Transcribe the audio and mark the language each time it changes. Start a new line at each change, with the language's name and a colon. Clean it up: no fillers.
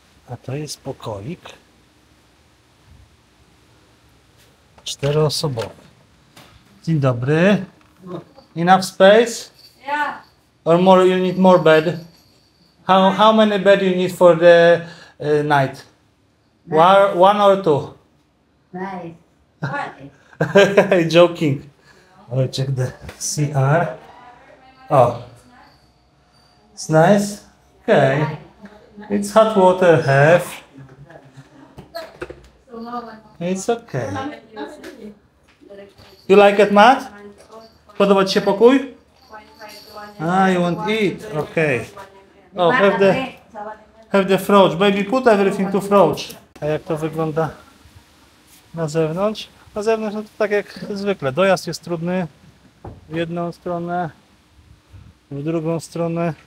Polish: A to jest pokoik czteroosobowy. Dzień dobry.
English: Enough space? Yeah. Or more, you need more bed? How many bed you need for the night? One or two? Nice. Joking. I will check the CR. Oh. It's nice? Okay. It's hot water, have. It's okay. You like it, Matt?
Polish: Podoba ci się pokój?
English: Ah, you want to eat? Okay. Oh, have the fridge. Baby, put everything to fridge.
Polish: A jak to wygląda na zewnątrz? Na zewnątrz no to tak jak zwykle. Dojazd jest trudny. W jedną stronę, w drugą stronę.